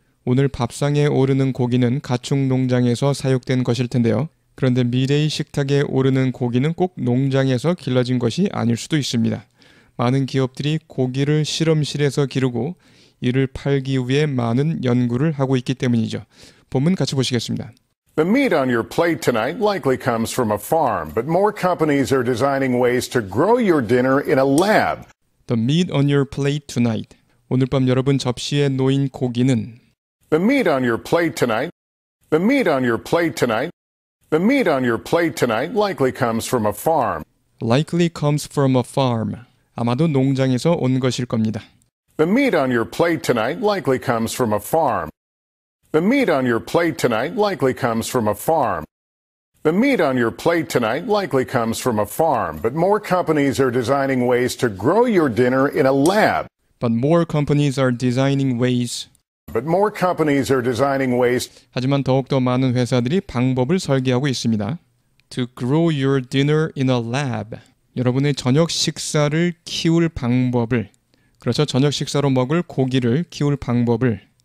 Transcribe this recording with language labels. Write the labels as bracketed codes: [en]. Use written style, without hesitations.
[ko] 오늘 밥상에 오르는 고기는 가축농장에서 사육된 것일 텐데요. 그런데 미래의 식탁에 오르는 고기는 꼭 농장에서 길러진 것이 아닐 수도 있습니다. 많은 기업들이 고기를 실험실에서 기르고 이를 팔기 위해 많은 연구를 하고 있기 때문이죠. 본문 같이 보시겠습니다. [en] The meat on your plate tonight likely comes from a farm, but more companies are designing ways to grow your dinner in a lab. The meat on your plate tonight. [ko] 오늘 밤 여러분 접시에 놓인 고기는 [en] The meat on your plate tonight. The meat on your plate tonight. The meat on your plate tonight likely comes from a farm. Likely comes from a farm. [ko] 아마도 농장에서 온 것일 겁니다. [en] The meat on your plate tonight likely comes from a farm. The meat on your plate tonight likely comes from a farm. The meat on your plate tonight likely comes from a farm. But more companies are designing ways to grow your dinner in a lab. But more companies are designing ways. But more companies are designing ways. [ko] 하지만 더욱더 많은 회사들이 방법을 설계하고 있습니다. [en] To grow your dinner in a lab. [ko] 여러분의 저녁 식사를 키울 방법을. 그렇죠. 저녁 식사로 먹을 고기를 키울 방법을.